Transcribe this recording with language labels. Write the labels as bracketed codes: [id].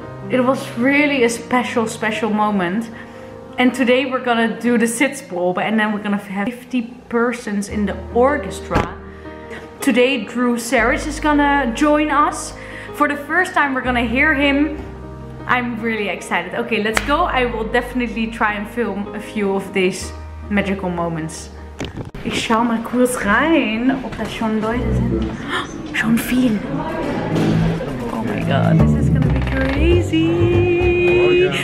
[en] It was really a special moment. And today we're gonna do the Sitzprobe, and then we're gonna have 50 persons in the orchestra. Today Drew Saris is gonna join us. For the first time we're gonna hear him. I'm really excited. Okay, let's go. I will definitely try and film a few of these magical moments. [de] Ich schau mal kurz rein, ob das schon Leute sind. Schon viel. [en] Oh my god, this is gonna be crazy.